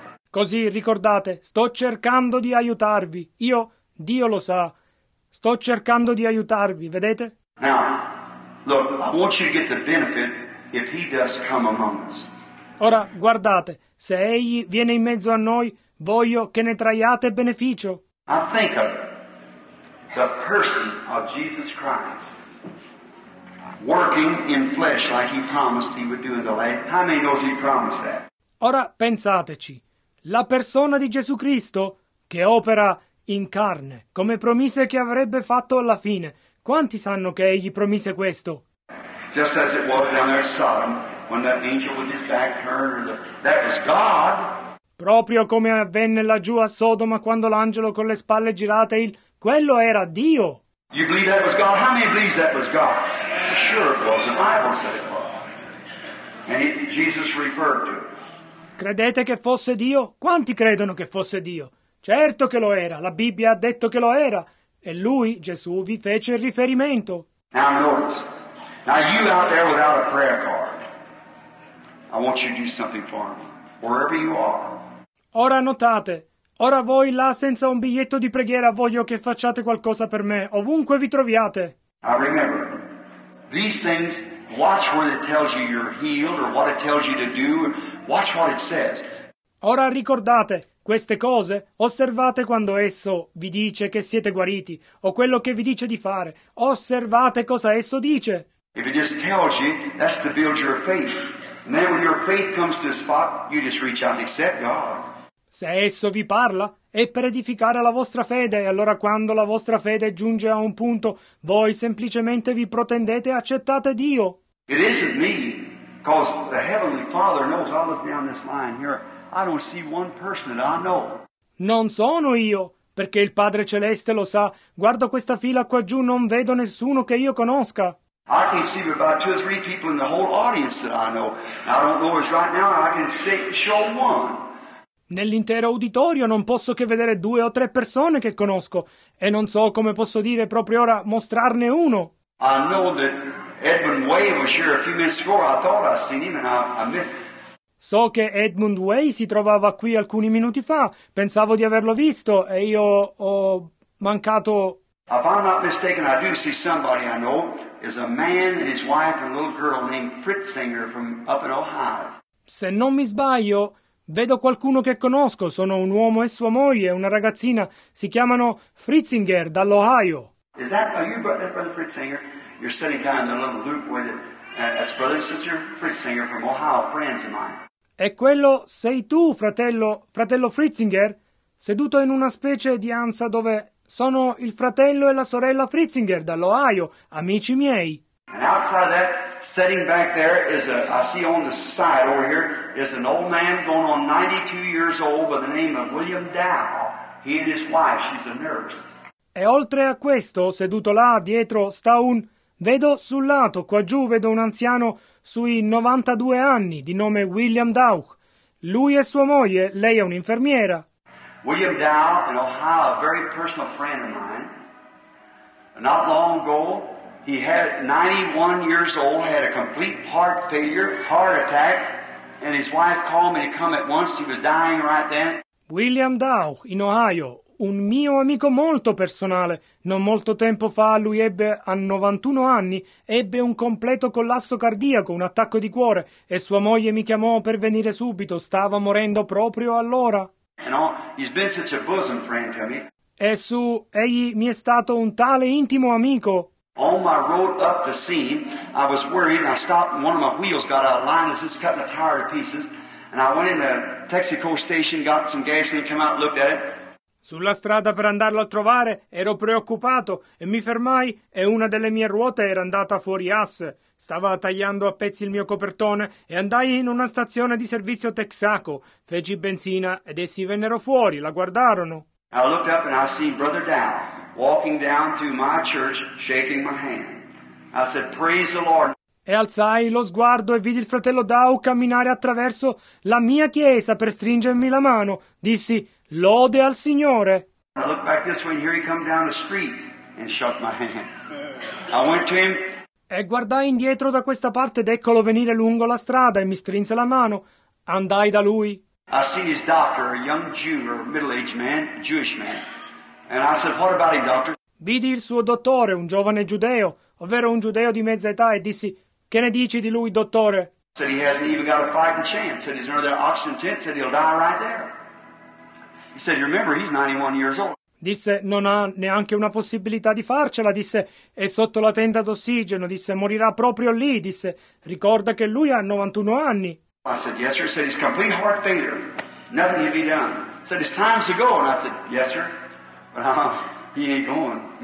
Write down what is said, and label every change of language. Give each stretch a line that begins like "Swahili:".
Italian: Così, ricordate, sto cercando di aiutarvi. Io, Dio lo sa, sto cercando di aiutarvi, vedete?
English: Now, look, I want you to get the benefit if he does come among us.
Italian: Ora, guardate, se egli viene in mezzo a noi, voglio che ne traiate beneficio.
English: I think of the person of Jesus Christ working in flesh like he promised he would do in the land. How many knows he promised that?
Italian: Ora, pensateci, la persona di Gesù Cristo che opera in carne, come promise che avrebbe fatto alla fine, quanti sanno che egli promise questo?
English: Just as it was down there in Sodom, when that angel with his back turned, that was God.
Italian: Proprio come avvenne laggiù a Sodoma quando l'angelo con le spalle girate, quello era Dio.
English: You believe that was God? How many believe that was God? Sure it was. The Bible said it was. And Jesus referred to it.
Italian: Credete che fosse Dio? Quanti credono che fosse Dio? Certo che lo era. La Bibbia ha detto che lo era. E lui, Gesù, vi fece il riferimento.
English: Now notice. Now you out there without a prayer card, I want you to do something for me, wherever you are.
Italian: Ora notate, ora voi là senza un biglietto di preghiera, voglio che facciate qualcosa per me, ovunque vi troviate.
English: I remember, these things watch where it tells you you're healed or what it tells you to do. Watch what it says.
Italian: Ora ricordate queste cose, osservate quando esso vi dice che siete guariti o quello che vi dice di fare. Osservate cosa esso dice.
English: If it just tells you, that's to build your faith. And then when your faith comes to a spot, you just reach out and accept God.
Italian: Se esso vi parla, è per edificare la vostra fede, e allora quando la vostra fede giunge a un punto, voi semplicemente vi protendete e accettate Dio.
English: It isn't me, because the Heavenly Father knows. I look down this line here, I don't see one person that I know.
Italian: Non sono io, perché il Padre Celeste lo sa. Guardo questa fila qua giù, non vedo nessuno che io conosca.
English: I can see about two or three people in the whole audience that I know. And I don't know as right now, I can show one.
Italian: Nell'intero uditorio non posso che vedere due o tre persone che conosco, e non so come posso dire proprio ora mostrarne uno.
English: I know that Edmund Way was here a few minutes ago. I thought I'd seen him, and I missed.
Italian: So che Edmund Way si trovava qui alcuni minuti fa. Pensavo di averlo visto, e io ho mancato.
English: If I'm not mistaken, I do see somebody I know. Is a man and his wife and a little girl named Fritzinger from up in Ohio.
Italian: Se non mi sbaglio, vedo qualcuno che conosco. Sono un uomo e sua moglie, una ragazzina. Si chiamano Fritzinger dall'Ohio.
English: Is that, are you brother Fritzinger? You're sitting down in the little loop with it. That's brother and sister Fritzinger from Ohio, friends of mine.
Italian: E quello sei tu, fratello Fritzinger, seduto in una specie di ansa dove sono il fratello e la sorella Fritzinger dall'Ohio, amici miei.
English: And outside of that, sitting back there is a, I see on the side over here, is an old man going on 92 years old by the name of William Dow. He and his wife, she's a nurse.
Italian: E oltre a questo, seduto là dietro, sta un, vedo sul lato, qua giù vedo un anziano sui 92 anni, di nome William Dow. Lui e sua moglie, lei è un'infermiera.
English: William Dow, an Ohio, a very personal friend of mine. Not long ago, he had 91 years old, had a complete heart failure, heart attack, and his wife called me to come at once. He was dying right then.
Italian: William Dow, in Ohio, un mio amico molto personale. Non molto tempo fa lui ebbe, a 91 anni, ebbe un completo collasso cardiaco, un attacco di cuore, e sua moglie mi chiamò per venire subito. Stava morendo proprio allora.
English: And all, he's been such a bosom friend to me.
Italian: E su, egli mi è stato un tale intimo amico.
English: On my road up the scene, I was worried, and I stopped, and one of my wheels got out of line, it's just cutting the tire to pieces. And I went in the Texaco station, got some gasoline, came out and looked at it.
Italian: Sulla strada per andarlo a trovare, ero preoccupato, e mi fermai, e una delle mie ruote era andata fuori asse. Stava tagliando a pezzi il mio copertone e andai in una stazione di servizio Texaco. Feci benzina ed essi vennero fuori, la guardarono.
English: I looked up and I seen Brother Dow walking down to my church, shaking my hand. I said, praise the Lord.
Italian: E alzai lo sguardo e vidi il fratello Dow camminare attraverso la mia chiesa per stringermi la mano. Dissi, lode al Signore.
English: I looked back this way and here he come down the street and shook my hand. I went to him.
Italian: E guardai indietro da questa parte ed eccolo venire lungo la strada e mi strinse la mano. Andai da lui.
English: I seen his doctor, a young Jew, or middle-aged man, Jewish man. And I said, what about him, doctor?
Italian: Vidi il suo dottore, un giovane giudeo, ovvero un giudeo di mezza età, e dissi, che ne dici di lui, dottore?
English: Said he hasn't even got a fighting chance. Said he's under that oxygen tent. Said he'll die right there. He said, remember, he's 91 years old.
Italian: Disse, non ha neanche una possibilità di farcela, disse, è sotto la tenda d'ossigeno, disse, morirà proprio lì, disse, ricorda che lui ha 91 anni.
English: I said, yes, sir, said, he's complete heart failure, nothing can be done. Said, it's time to go, and I said, yes, sir, but he ain't going.